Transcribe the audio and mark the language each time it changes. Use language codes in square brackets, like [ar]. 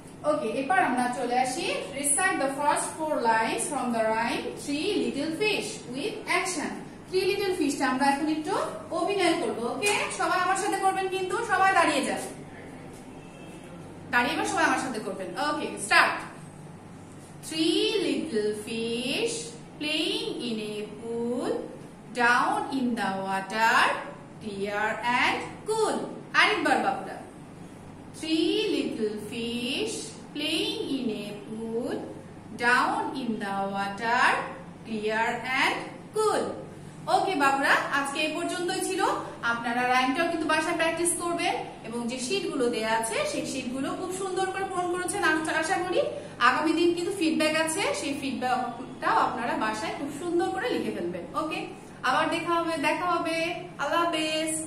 [bn] ওকে, এবার আমরা চলে আসি, [en] Recite the first four lines from the rhyme three little fish with action. [bn] Three little fish টা আমরা এখন একটু অভিনয় করব, ওকে, সবাই আমার সাথে করবেন, কিন্তু সবাই দাঁড়িয়ে যান, দাঁড়িয়ে বা সবাই আমার সাথে করবেন, ওকে, start. [en] Three little fish playing in a pool, down in the water, clear and cool. [bn] আরেকবার বাবুরা, [en] Three little fish playing in a pool, down in the water, clear and cool. [bn] ওকে বাবুরা, আজকে এই পর্যন্তই ছিল, আপনারা রাইমটাও কিন্তু বাসায় প্র্যাকটিস করবেন, এবং যে শীটগুলো দেয়া আছে সেই শীটগুলো খুব সুন্দর করে পূরণ করেছেন আশা করি। আগামী দিন কিন্তু ফিডব্যাক আছে, সেই ফিডব্যাকটাও আপনারা বাসায় খুব সুন্দর করে লিখে ফেলবেন। ওকে, আবার দেখা হবে, আল্লাহ হাফেজ।